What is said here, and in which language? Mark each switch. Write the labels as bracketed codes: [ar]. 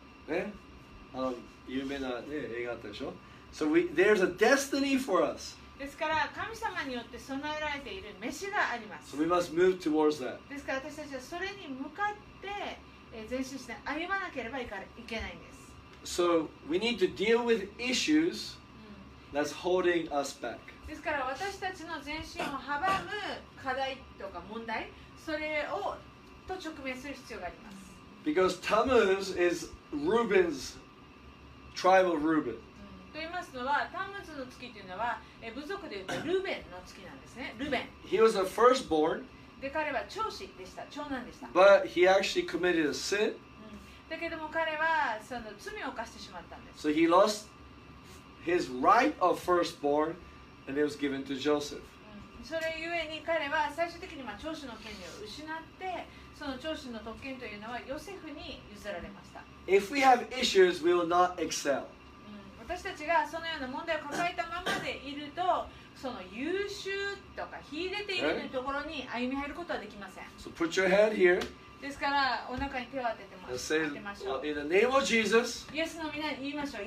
[ja] ね、あの有名な、ね、映画あったでしょ。 [en] So we, there's a destiny for us. [ja] ですから神様によって備えられている召があります。 [en] So we must move towards that. [ja] ですから私たちはそれに向かって前進して歩まなければいけないんです。 [en] So we need to deal with issues that's holding us back. [ja] ですから私たちの前進を阻む課題とか問題、それをと直面する必要があります。 [en] Because Tammuz is Reuben's tribe of Reuben. [ja] と言いますのは、タムズの月というのは、部族でいうとルベンの月なんですね。ルベン。 [en] He was a firstborn. [ja] で彼は長子でした。長男でした。 [en] But he actually committed a sin. [ja] だけども彼はその罪を犯してしまったんです。 [en] So he lost his right of firstborn, and it was given to Joseph. [ja] それゆえに彼は最終的にまあ長子の権利を失って。その長子の特権というのはヨセフに譲られました。 [en] If we have issues, we will not excel. [ja] 私たちがそのような問題を抱えたままでいると、その優秀とか秀でているというところに歩み入ることはできません。 [en] So put your head here. [ja] ですからお腹に手を当てて当てましょう。 [en] In the name of Jesus. [ja] イエスの皆に言いましょう。